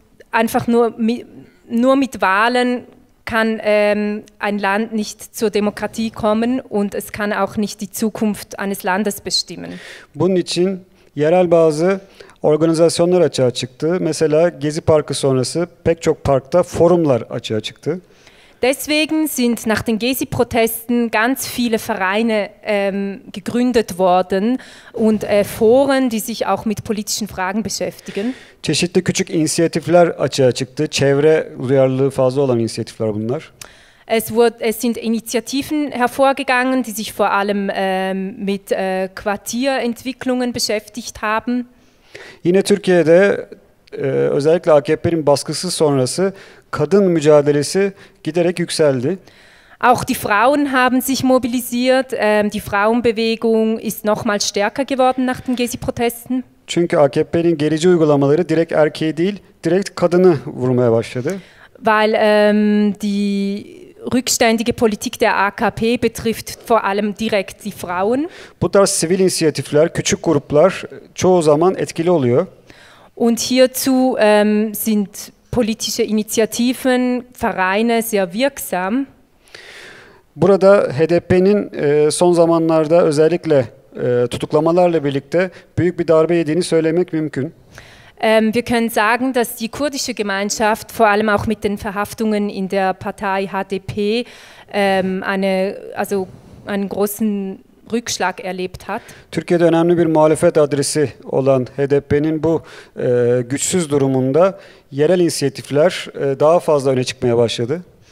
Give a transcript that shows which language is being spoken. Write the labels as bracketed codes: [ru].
[de] Einfach nur mit Wahlen kann ein Land nicht zur Demokratie kommen und es kann auch nicht die Zukunft eines Landes bestimmen. [tr] Bunun için yerel bazı organizasyonlar açığa çıktı. Mesela Gezi Parkı sonrası pek çok parkta forumlar açığa çıktı. [de] Deswegen sind nach den Gezi-Protesten ganz viele Vereine gegründet worden und Foren, die sich auch mit politischen Fragen beschäftigen. [tr] Çeşitli küçük inisiyatifler açığa çıktı. Çevre duyarlılığı fazla olan inisiyatifler bunlar. [de] Es sind Initiativen hervorgegangen, die sich vor allem mit Quartierentwicklungen beschäftigt haben. [tr] Yine Türkiye'de özellikle AKP'nin baskısı sonrası kadın mücadelesi giderek yükseldi. [de] Auch die Frauen haben sich mobilisiert. Die Frauenbewegung ist nochmal stärker geworden nach den Gezi-Protesten. [tr] Çünkü AKP'nin gerici uygulamaları direkt erkeği değil, direkt kadını vurmaya başladı. [de] Weil die rückständige Politik der AKP betrifft vor allem direkt die Frauen. [tr] Bu tarz sivil inisiyatifler, küçük gruplar çoğu zaman etkili oluyor. [de] Und hierzu sind politische Initiativen, Vereine sehr wirksam. [tr] Burada HDP'nin son zamanlarda özellikle tutuklamalarla birlikte büyük bir darbe yediğini söylemek mümkün. [de] Wir können sagen, dass die kurdische Gemeinschaft vor allem auch mit den Verhaftungen in der Partei HDP einen großen Rückschlag erlebt hat. [tr] Türkiye'de önemli bir muhalefet adresi olan HDP'nin bu güçsüz durumunda yerel inisiyatifler daha fazla öne çıkmaya başladı.